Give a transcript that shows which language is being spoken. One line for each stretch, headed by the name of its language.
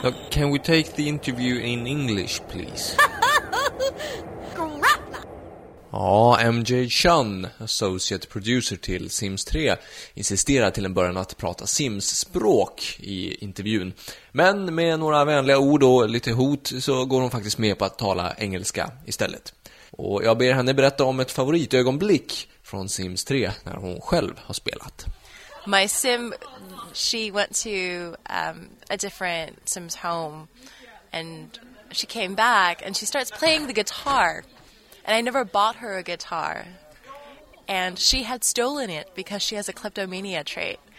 English: Can we take the interview in English, please? Grappla!
Swedish: Ja, MJ Chun, associate producer till Sims 3, insisterar till en början att prata Sims-språk i intervjun. Men med några vänliga ord och lite hot så går hon faktiskt med på att tala engelska istället. Och jag ber henne berätta om ett favoritögonblick från Sims 3 när hon själv har spelat.
English: My sim, she went to a different Sims home and she came back and she starts playing the guitar And I never bought her a guitar. And she had stolen it because she has a kleptomania trait.